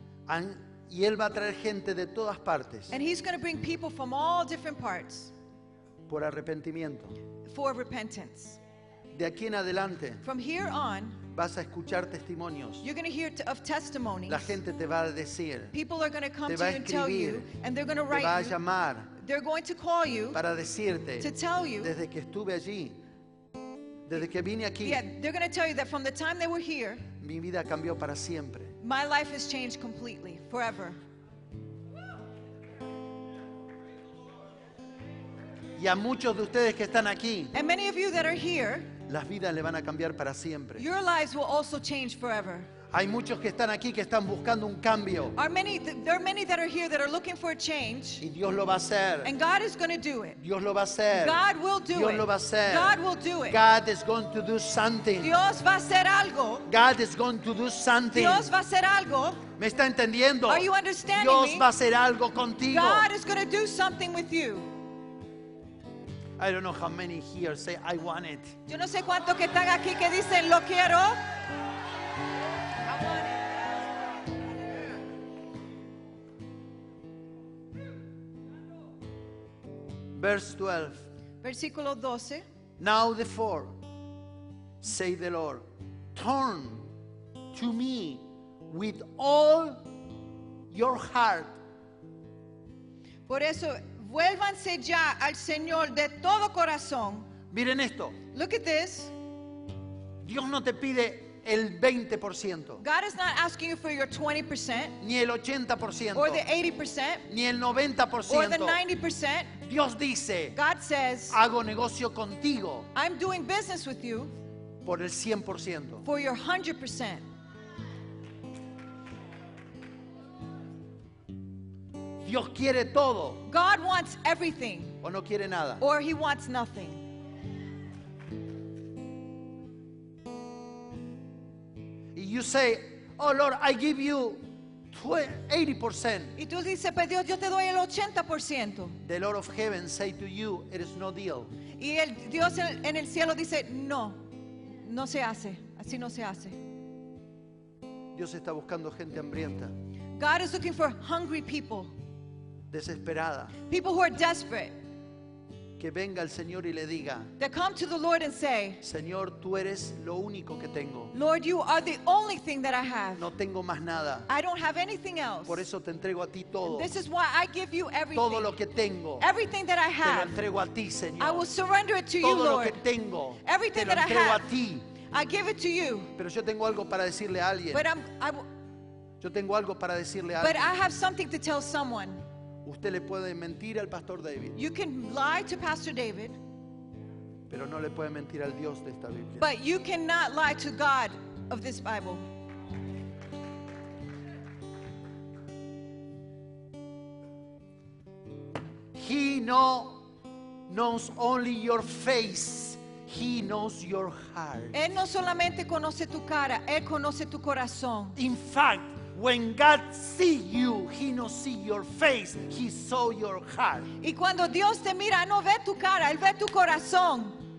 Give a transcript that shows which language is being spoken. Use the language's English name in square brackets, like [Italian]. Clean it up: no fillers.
[Spanish] Y Él va a traer gente de todas partes. [English] And He's going to bring people from all different parts. [Spanish] Por arrepentimiento. [English] For repentance. [Spanish] De aquí en adelante. [English] From here on. [Spanish] Vas a escuchar testimonios. [English] You're going to hear of testimonies. [Spanish] La gente te va a decir. [English] People are going to come to you and tell you. And they're going to write you. [Spanish] Te va a llamar. [English] They're going to call you. [Spanish] Para decirte. [English] To tell you. [Spanish] Desde que estuve allí. Desde que vine aquí. [English] Yeah, they're going to tell you that from the time they were here. [Spanish] Mi vida cambió para siempre. [English] My life has changed completely, forever. [Spanish] Y a muchos de ustedes que están aquí, [English] and many of you that are here, [Spanish] las vidas le van a cambiar para siempre. [English] Your lives will also change forever. [Spanish] Hay muchos que están aquí que están buscando un cambio. [English] There are many that are here that are looking for a change. [Spanish] Y Dios lo va a hacer. [English] And God is going to do it. [Spanish] Dios lo va a hacer. [English] God will do [Spanish] Dios [English] it. [Spanish] Dios lo va a hacer. [English] God will do it. God is going to do something. [Spanish] Dios va a hacer algo. [English] God is going to do something. [Spanish] Dios va a hacer algo. ¿Me está entendiendo? [English] Are you understanding [Spanish] Dios [English] me? [Spanish] Va a hacer algo contigo. [English] God is going to do something with you. I don't know how many here say I want it. [Spanish] Yo no sé cuántos que están aquí que dicen lo quiero. [English] Verse 12. [Spanish] Versículo 12. [English] Now the say the Lord, turn to me with all your heart. [Spanish] Por eso, vuélvanse ya al Señor de todo corazón. Miren esto. [English] Look at this. [Spanish] Dios no te pide el 20%. [English] God is not asking you for your 20%. [Spanish] Ni el 80%. [English] Or the 80%. [Spanish] Ni el 90%. [English] Or the 90%. [Spanish] Dios dice, [English] God says, [Spanish] hago negocio contigo. [English] I'm doing business with you. [Spanish] Por el 100%. [English] For your 100%. [Spanish] Dios quiere todo. [English] God wants everything. [Spanish] O no quiere nada. [English] Or he wants nothing. You say, oh Lord, I give you 80%. [Spanish] Y tú dices, pero Dios, yo te doy el 80%. [English] The Lord of heaven say to you, it is no deal. [Spanish] Y el Dios en el cielo dice, no, no se hace, así no se hace. Dios está buscando gente hambrienta. [English] God is looking for hungry people. [Spanish] Desesperada. [English] People who are desperate. [Spanish] Que venga el Señor y le diga, [English] that come to the Lord and say, [Spanish] Señor, tú eres lo único que tengo. [English] Lord, you are the only thing that I have. [Spanish] No tengo más nada. [English] I don't have anything else. [Spanish] Por eso te entrego a ti todo. [English] And this is why I give you everything. [Spanish] Todo lo que tengo. [English] Everything that I have. [Spanish] Te lo entrego a ti, Señor. [English] I will surrender it to [Spanish] todo [English] you, Lord. [Spanish] Todo lo que tengo. [English] Everything [Spanish] te lo [English] that [Spanish] entrego [English] I have. [Spanish] A ti. [English] I give it to you. [Spanish] Pero yo tengo algo para decirle a alguien. [English] But I'm, I, [Spanish] yo tengo algo para decirle a alguien. [English] But I have something to tell someone. [Spanish] Usted le puede mentir al Pastor David. [English] You can lie to Pastor David. [Spanish] Pero no le puede mentir al Dios de esta Biblia. [English] But you cannot lie to God of this Bible. He knows only your face. He knows your heart. [Spanish] Él no solamente conoce tu cara, él conoce tu corazón. [English] In fact, when God sees you, he no see your face, he saw your heart. [Spanish] Y cuando Dios te mira, no ve tu cara, él ve tu corazón.